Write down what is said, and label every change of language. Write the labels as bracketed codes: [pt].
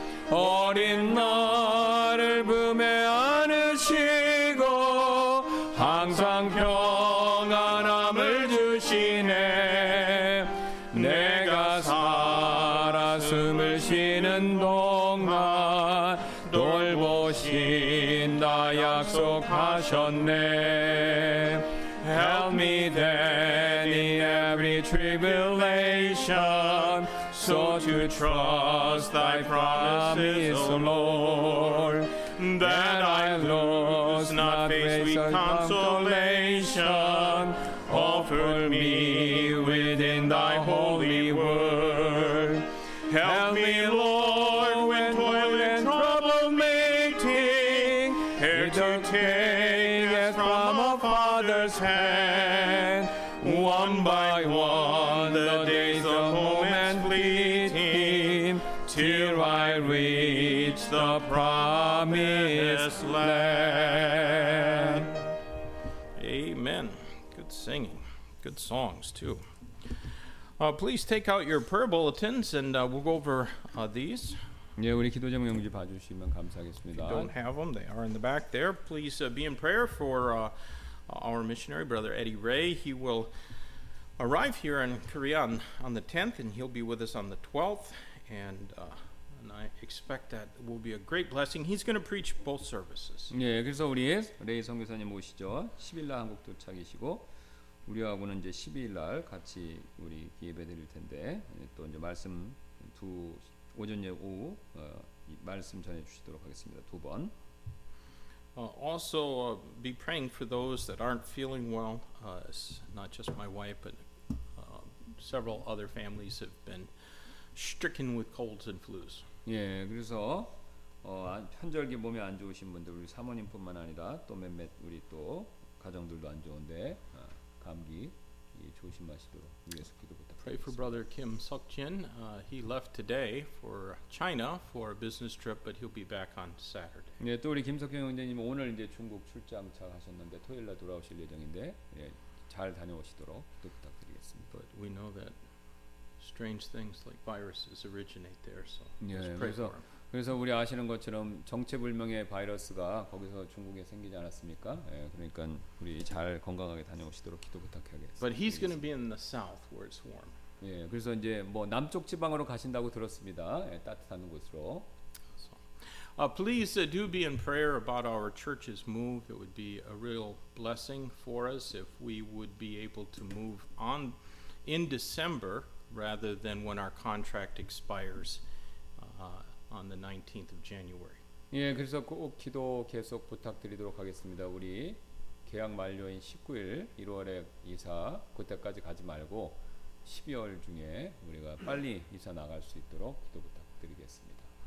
[ko] 어린 나를 품에 안으시고 항상 평안함을 주시네. 내가 살아 숨을 쉬는 동안 돌보신다 약속하셨네. [en] Help me then in every tribulation, so to trust thy promises, O Lord, that I lose not this weak consolation. Offer me within thy holy word. Help me, Lord, when toil and trouble meeting, here to take as from a father's hand. One by one the days of moments fleeting, till I reach the promised land. Amen. Good singing. Good songs, too. Please take out your prayer bulletins, and we'll go over these. [ko] 예, 우리 기도 제목 용지 봐 주시면 감사하겠습니다. [en] If you don't have them, they are in the back there. Please be in prayer for our missionary brother Eddie Ray. He will arrive here in Korea on the 10th and he'll be with us on the 12th and I expect that will be a great blessing. He's going to preach both services. [ko] 예, 그래서 우리 레이 선교사님 오시죠. 10일 날 한국 도착이시고 우리하고는 이제 12일 날 같이 우리 예배드릴 텐데 또 이제 말씀 두 오전에 오후 말씀 전해 주시도록 하겠습니다. 두 번. [en] Also be praying for those that aren't feeling well. It's not just my wife but several other families have been stricken with colds and flus. [ko] 예, 그래서 환절기 몸이 안 좋으신 분들 우리 사모님뿐만 아니라 또 몇몇 우리 또 가정들도 안 좋은데 감기 조심하시도록 위해서 기도 부탁드립니다. [en] Pray for brother Kim Suk-jin. He left today for China for a business trip but he'll be back on Saturday. [ko] 네, 또 우리 김석현 형제님 오늘 이제 중국 출장 잘 하셨는데 토요일 날 돌아오실 예정인데 예, 잘 다녀오시도록 기도 부탁드리겠습니다. [en] But we know that strange things like viruses originate there so let's pray [ko] 그래서, [en] for him. [ko] 그래서 우리 아시는 것처럼 정체불명의 바이러스가 거기서 중국에 생기지 않았습니까? 예, 그러니까 우리 잘 건강하게 다녀오시도록 기도 부탁하겠습니다. [en] But he's going to be in the south where it's warm. [ko] 예, 그래서 이제 뭐 남쪽 지방으로 가신다고 들었습니다. 예, 따뜻한 곳으로. [en] Please do be in prayer about our church's move. It would be a real blessing for us if we would be able to move on in December rather than when our contract expires. On the 19th of January. [ko] 예, 그래서 꼭 기도 계속 부탁드리도록 하겠습니다. 우리 계약 만료인 19일 1월에 이사 그때까지 가지 말고 12월 중에 우리가 빨리 이사 나갈 수 있도록 기도 부탁드리겠습니다.